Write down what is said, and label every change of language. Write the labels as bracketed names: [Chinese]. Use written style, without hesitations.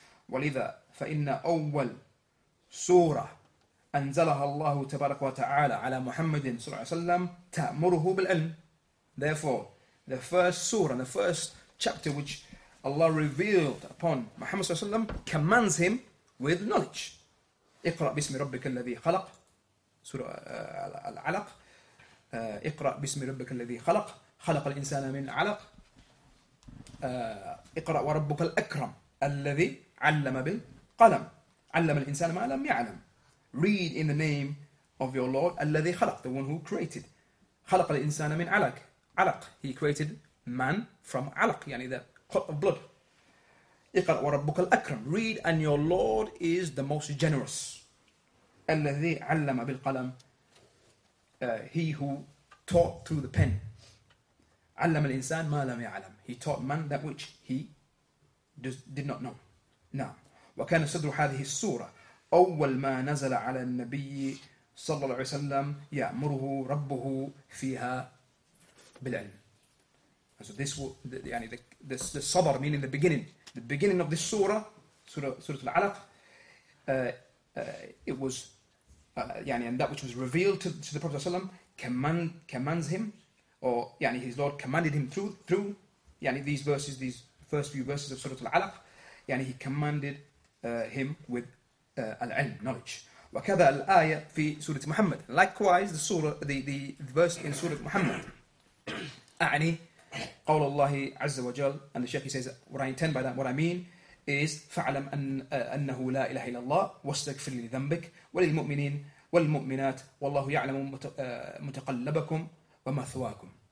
[Arabic] وَلِذَا فَإِنَّ أَوَّلْ سُورَةً أَنْزَلَهَا اللَّهُ تَبَارَكُ وَتَعَالَى عَلَى مُحَمَّدٍ صَلَّى اللَّهُ عَلَيْهِ وَسَلَّمْ تَأْمُرُهُ بِالْعِلْمِ. [English] Therefore, the first surah and the first chapter which Allah revealed upon Muhammad [Arabic] صلى الله عليه وسلم [English] commands him with knowledge. [Arabic] اقرأ بسم ربك الذي خلق, surah Al-Alaq. اقرأ بسم ربك الذي خلق, خلق الإنسان من علق. اقرأ وربك الأكرم الذي علم بالقلم, علم الإنسان ما لم يعلم. [English] Read in the name of your Lord, [Arabic] الذي خلق, [English] the one who created. [Arabic] خلق الإنسان من علق, علق, [English] he created man from علق, [Arabic] يعني [English] the clot of blood. [Arabic] اقرأ وربك الأكرم, [English] read, and your Lord is the most generous. [Arabic] الذي علم بالقلم, [English] he who taught through the pen. [Arabic] علم الإنسان ما لم يعلم, [English] he taught man that which he did not know. [Arabic] نعم. وكان صدر هذه السورة أول ما نزل على النبي صلى الله عليه وسلم يأمره ربه فيها بالعلم. [English] So this يعني the صدر, meaning the beginning of this surah Al-Alaq, it was يعني, and that which was revealed to the Prophet [Arabic] صلى الله عليه وسلم [English] commands him, or [Arabic] يعني [English] his Lord commanded him through يعني these verses, these first few verses of Surah Al-Alaq, يعني he commanded him with العلم, knowledge. [Arabic] وكذا الآية في سورة محمد, [English] likewise the surah, the verse in Surah Muhammad, [Arabic] أعني قول الله عز وجل, [English] and the Sheikh, he says, what I intend by that, what I mean is, [Arabic] فعلم أن أنه لا إله إلا الله واستغفر لذنبك وللمؤمنين والمؤمنات والله يعلم متقلبكم ومثواكم.